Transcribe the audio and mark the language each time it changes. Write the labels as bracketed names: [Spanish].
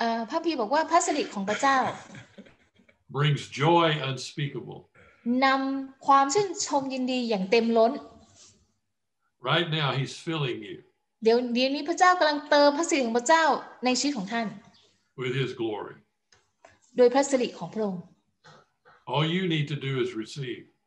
[Thai] พระพี่บอกว่าพระสิริของพระเจ้า [English] brings joy unspeakable. [Thai] นำความชื่นชมยินดีอย่างเต็มล้น [English] Right now he's filling you [Thai] เดี๋ยวนี้พระเจ้ากำลังเติมพระสิริของพระเจ้าในชีวิตของท่าน [English] With his glory [Thai] โดยพระสิริของพระองค์ [English] All you need to do is receive